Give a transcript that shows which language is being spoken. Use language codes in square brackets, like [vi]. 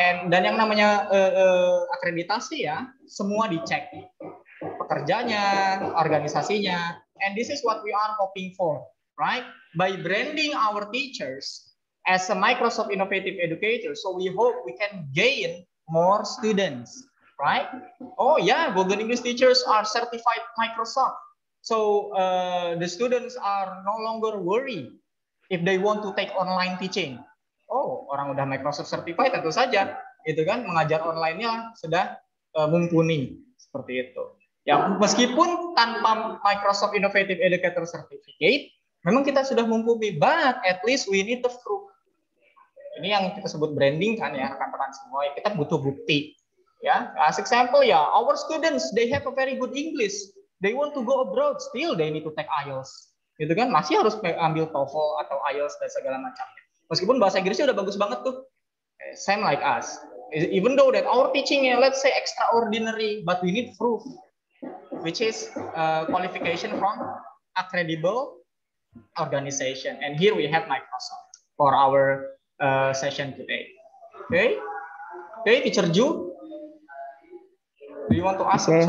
[id] Dan yang namanya akreditasi ya, semua dicek. Pekerjanya, organisasinya, [en] and this is what we are hoping for, right? By branding our teachers as a Microsoft Innovative Educator, so we hope we can gain more students, right? Oh yeah, Golden English teachers are certified Microsoft, so the students are no longer worried if they want to take online teaching. [id] Oh, orang udah Microsoft certified, tentu saja, itu kan mengajar online-nya sudah mumpuni, seperti itu. Ya, meskipun tanpa Microsoft Innovative Educator Certificate, Memang kita sudah mumpuni, [en] but at least we need the proof. [id] Ini yang kita sebut branding kan ya, rekan-rekan semua. Kita butuh bukti. [en] Ya, as example ya, our students, they have a very good English. They want to go abroad, still they need to take IELTS. [id] Gitu kan, masih harus ambil TOEFL atau IELTS dan segala macamnya. Meskipun bahasa Inggrisnya udah bagus banget tuh. [en] Same like us. Even though that our teaching, let's say extraordinary, but we need proof, which is qualification from a credible organization. And here we have Microsoft for our session today. Okay? Okay, Teacher Ju? Do you want to ask something?